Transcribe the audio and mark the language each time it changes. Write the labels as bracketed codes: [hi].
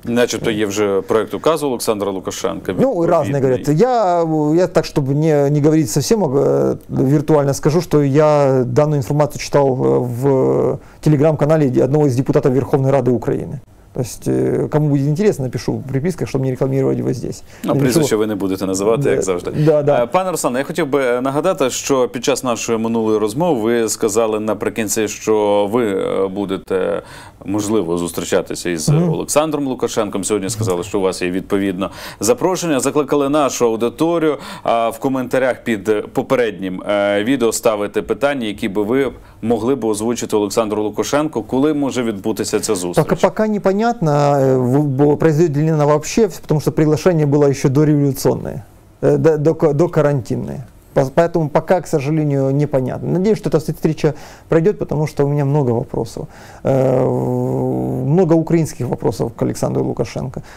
[ru] Значит, есть уже проект указа Александра Лукашенко. Ну, разные. Говорят, я так, чтобы не говорить совсем виртуально, скажу, что я данную информацию читал в телеграм-канале одного из депутатов Верховной Рады Украины. То есть, кому будет интересно, напишу в приписках, чтобы не рекламировать его здесь. [uk] Ну, прізвище ви не будете називати, як завжди. Да, да. Пане Руслане, я хотів би нагадати, що під час нашої минулої розмови ви сказали наприкінці, що ви будете, можливо, зустрічатися із Олександром Лукашенком. Сьогодні сказали, що у вас є відповідно запрошення. Закликали нашу аудиторію в коментарях під попереднім відео ставити питання, які би ви могли б озвучити Олександру Лукашенку, коли може відбутися ця зустріч. [ru] Так, поки непонятно, произойдет ли она вообще, потому что приглашение было еще дореволюционное, до карантинное. Поэтому пока, к сожалению, непонятно. Надеюсь, что эта встреча пройдет, потому что у меня много вопросов. Много украинских вопросов к Александру Лукашенко.